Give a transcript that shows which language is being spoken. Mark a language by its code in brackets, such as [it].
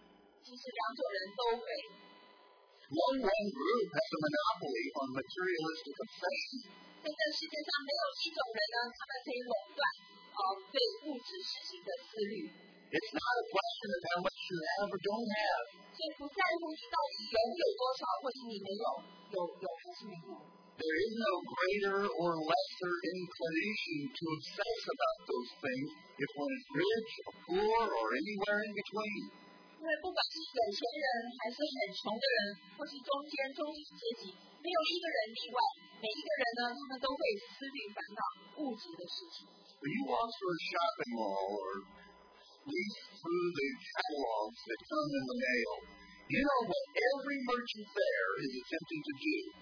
[zh] 那我们想一想，到底谁会忧虑这些物质的事情呢？是穷人吗？还是富有的人？其实两种人都会。 [en] One one group has a monopoly on materialistic obsession. [zh] 在这世界上没有一种人呢，他们可以垄断被物质事情的思虑。 [en] It's not a question of how much you have or don't have. [zh] 所以不在乎你到底拥有多少，或是你没有，有还是没有。 [en] There is no greater or lesser inclination to obsess about those things if one is rich or poor or anywhere in between. [zh] 因为不管是有钱人还是很穷的人，或是中间阶级，没有一个人例外。每一个人呢，他们都会思虑烦恼物质的事情。 [en] When you walk through a shopping mall or leaf through the catalogs that come in the mail, you know what every merchant there is attempting to do.